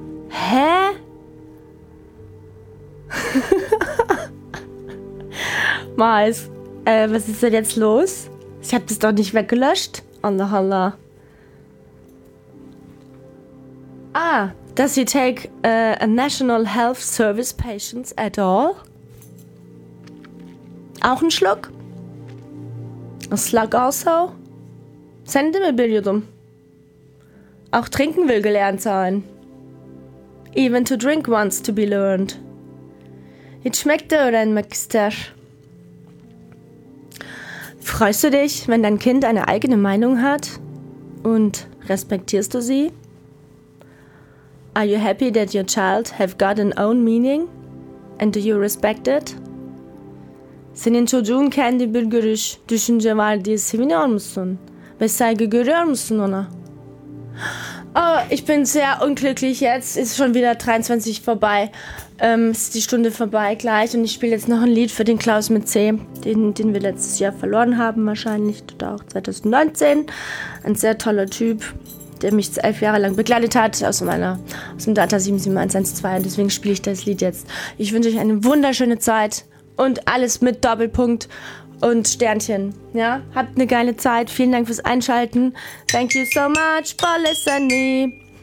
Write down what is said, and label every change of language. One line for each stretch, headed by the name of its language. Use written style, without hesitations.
German: Hä? Mais, was ist denn jetzt los? Ich hab das doch nicht weggelöscht. Allahallah.
English: Ah, does he take a National Health Service patients at all?
German: Auch ein Schluck?
English: A slug also? Send him a billion.
German: Auch trinken will gelernt sein.
English: Even to drink wants to be learned.
German: Jetzt schmeckt er oder ein Mixter? Freust du dich, wenn dein Kind eine eigene Meinung hat? Und respektierst du sie?
English: Are you happy that your child have got an own meaning? And do you respect it?
Turkish: Senin çocuğun kendi bir görüş, düşünce var diye seviniyor musun? Ve saygı görüyor musun ona?
German: Oh, ich bin sehr unglücklich jetzt. Ist schon wieder 23 vorbei. Ist die Stunde vorbei gleich. Und ich spiele jetzt noch ein Lied für den Klaus mit C, den wir letztes Jahr verloren haben wahrscheinlich. Oder auch 2019. Ein sehr toller Typ, der mich 11 Jahre lang begleitet hat aus dem Data 77112. Und deswegen spiele ich das Lied jetzt. Ich wünsche euch eine wunderschöne Zeit und alles mit Doppelpunkt und Sternchen. Ja, habt eine geile Zeit. Vielen Dank fürs Einschalten.
English: Thank you so much for listening.